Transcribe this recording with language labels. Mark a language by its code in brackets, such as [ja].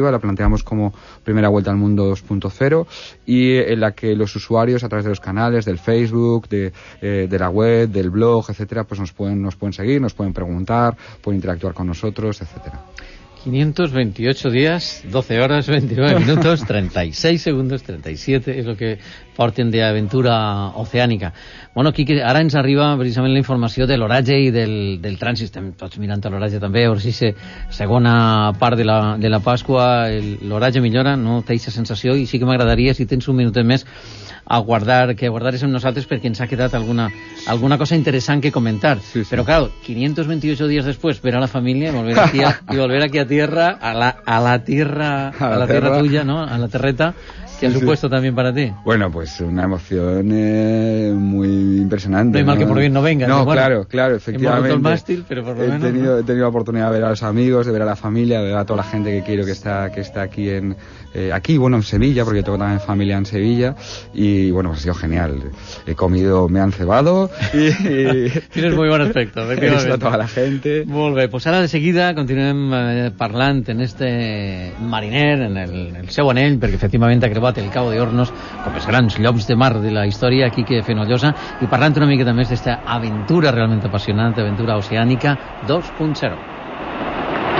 [es] La planteamos como primera vuelta al mundo 2.0, y en la que los usuarios, a través de los canales del Facebook, de la web, del blog, etcétera, pues nos pueden seguir, nos pueden preguntar, pueden interactuar con nosotros, etcétera. 528 días, 12 horas, 29 minutos, 36 segundos, 37 es lo que porten de aventura oceànica. [ca] Bueno, Quique, ara ens arriba precisament la informació de l'horatge i del trànsit. Estem tots mirant l'horatge també, a veure si la segona part de la Pasqua l'horatge millora, no té aquesta sensació, i sí que m'agradaria, si tens un minutet més, aguardar-se amb nosaltres, perquè ens ha quedat alguna cosa interessant que comentar. Sí, sí. Però, clar, 528 dies després, [es] ver a la família i volver aquí a tierra, a la tierra tuya, ¿no? A la terreta. ¿Qué ha supuesto también para ti? Bueno, pues una emoción muy impresionante. No hay mal, ¿no?, que por bien no venga. No, bueno, claro, efectivamente. Hemos roto el mástil, pero por lo menos. He tenido la oportunidad de ver a los amigos, de ver a la familia, de ver a toda la gente que quiero que está aquí en... aquí, bueno, en Sevilla, porque tengo también familia en Sevilla, y bueno, pues ha sido genial. He comido, me han cebado y... Tienes muy buen aspecto, efectivamente. He visto a toda la gente. [ca] Muy bien, pues ahora de seguida continuem parlant en este mariner, en el seu anell, perquè efectivament ha creuat el Cabo de Hornos com els grans llops de mar de la història, Quique Fenollosa, i parlant una miqueta més d'esta aventura realment apassionant, aventura oceànica 2.0.